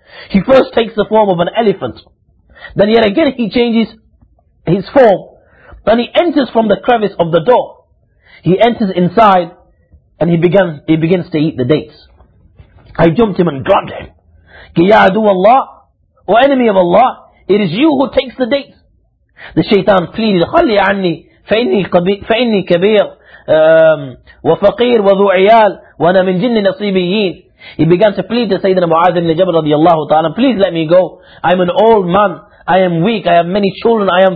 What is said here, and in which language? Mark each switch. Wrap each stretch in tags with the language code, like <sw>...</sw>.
<en>He first takes the form of an elephant. Then yet again he changes his form. Then he enters from the crevice of the door. He enters inside and he begins to eat the dates. I jumped him and grabbed him.</en> <ar>Ya adu Allah,</ar> <en>O enemy of Allah, it is you who takes the dates.</en> <ar>The shaitan pleaded, خَلِّ عَنِّي فَإِنِّي كَبِيرٌ وَفَقِيرٌ وَذُو عِيَالٌ وَأَنَا مِنْ جِنِّ نَصِيبِيِّينَ.</ar> <en>He began to plead to Sayyidina Mu'adh ibn Jabal radiallahu ta'ala, please let me go. I'm an old man. I am weak. I have many children.</en>